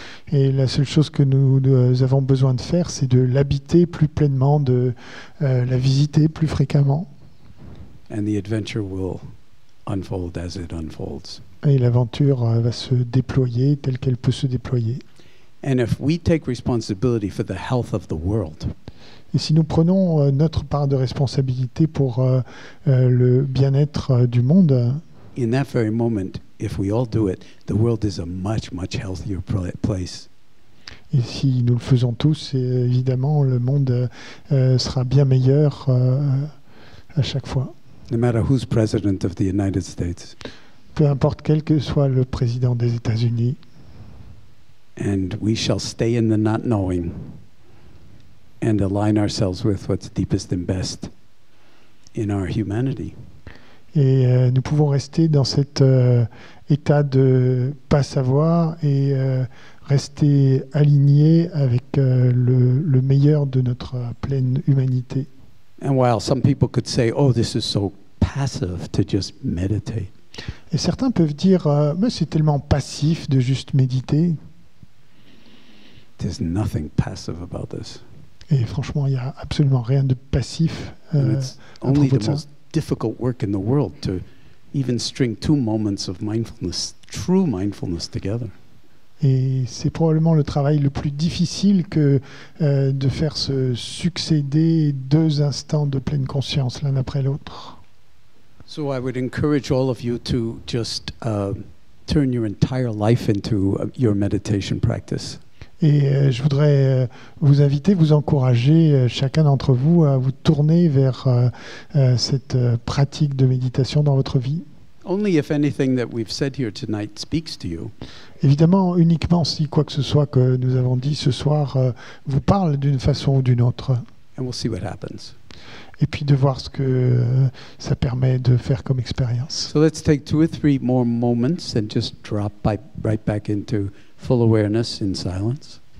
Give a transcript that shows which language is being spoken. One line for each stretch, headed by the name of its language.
French: Et la seule chose que nous avons besoin de faire, c'est de l'habiter plus pleinement, de la visiter plus fréquemment.
English: And the adventure will unfold as it unfolds.
French: Et l'aventure va se déployer telle qu'elle peut se déployer.
English: And if we take responsibility for the health of the world,
French: et si nous prenons notre part de responsabilité pour le bien-être du monde,
English: in that very moment, if we all do it, the world is a much, much healthier place.
French: Et si nous le faisons tous, évidemment, le monde sera bien meilleur à chaque fois.
English: No matter who's president of the United States.
French: Peu importe quel que soit le président des États-Unis.
English: And we shall stay in the not knowing and align ourselves with what's deepest and best in our humanity.
French: Et nous pouvons rester dans cet état de pas savoir et rester alignés avec le meilleur de notre pleine humanité.
English: And while some people could say, oh, this is so passive to just meditate.
French: Et certains peuvent dire, mais c'est tellement passif de juste méditer.
English: There's nothing passive about this.
French: Et franchement, il n'y a absolument rien de passif.
English: It's only the most difficult work in the world to even string two moments of mindfulness, true mindfulness together.
French: Et c'est probablement le travail le plus difficile que de faire se succéder deux instants de pleine conscience l'un après l'autre.
English: So I would encourage all of you to just turn your entire life into your meditation practice.
French: Et je voudrais vous inviter, vous encourager chacun d'entre vous à vous tourner vers cette pratique de méditation dans votre vie.
English: Only if anything that we've said here tonight speaks to you.
French: Évidemment, uniquement si quoi que ce soit que nous avons dit ce soir vous parle d'une façon ou d'une autre.
English: And we'll see what happens.
French: Et puis de voir ce que ça permet de faire comme expérience.
English: So let's take two or three more moments and just drop right back into full awareness in silence.